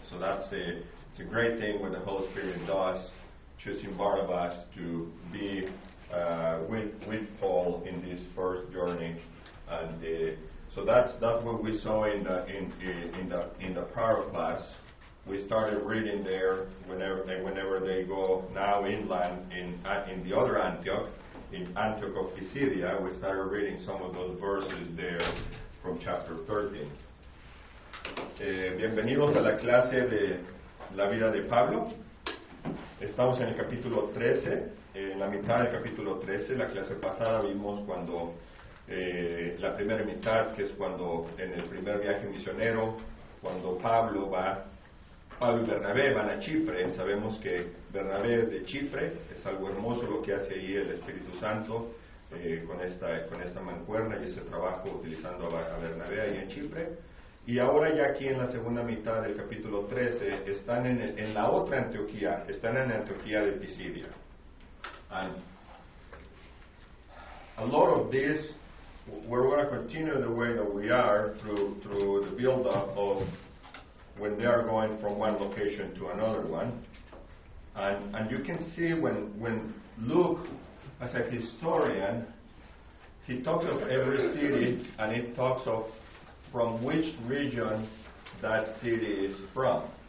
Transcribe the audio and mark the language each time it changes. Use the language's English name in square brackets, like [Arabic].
[English] So that's it's a great thing when the Holy Spirit does, choosing Barnabas to be with Paul in this first journey, and so that's what we saw in the prior class. We started reading there whenever they go now inland in the other Antioch, in Antioch of Pisidia. We started reading some of those verses there from chapter 13. [Spanish] Bienvenidos a la clase de la vida de Pablo. Estamos en el capítulo 13. En la mitad del capítulo 13, la clase pasada vimos cuando la primera mitad, que es cuando en el primer viaje misionero, cuando Pablo y Bernabé van a Chipre. Sabemos que Bernabé es de Chipre, es algo hermoso lo que hace ahí el Espíritu Santo con esta mancuerna y ese trabajo utilizando a Bernabé ahí en Chipre. Y ahora ya aquí en la segunda mitad del capítulo 13 están en la otra Antioquía, están en Antioquía de Pisidia. [English] And a lot of this, we're going to continue the way that we are through the build-up of when they are going from one location to another one. And you can see when Luke, as a historian, he talks of every city, and he talks of from which region that city is from.